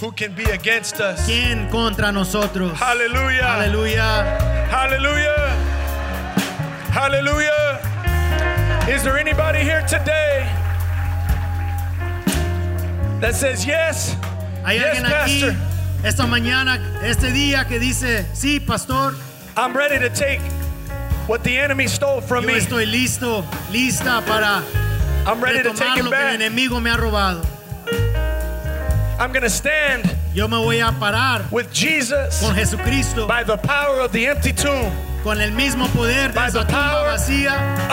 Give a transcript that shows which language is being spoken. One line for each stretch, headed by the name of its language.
English: who can be against us?
Spanish: ¿Quién contra nosotros?
English: Hallelujah. Hallelujah. Hallelujah. Hallelujah. Is there anybody here today that says yes?
Spanish: ¿Hay
English: yes,
Spanish: alguien aquí,
English: pastor?
Spanish: Esta mañana, este día que dice, sí, pastor.
English: I'm ready to take what the enemy stole from me.
Spanish: Yo estoy listo, lista para retomar lo que el enemigo me ha robado.
English: I'm going to stand.
Spanish: Yo me voy a parar
English: with Jesus.
Spanish: Con Jesucristo.
English: By the power of the empty tomb.
Spanish: Con el mismo poder de esa tumba vacía.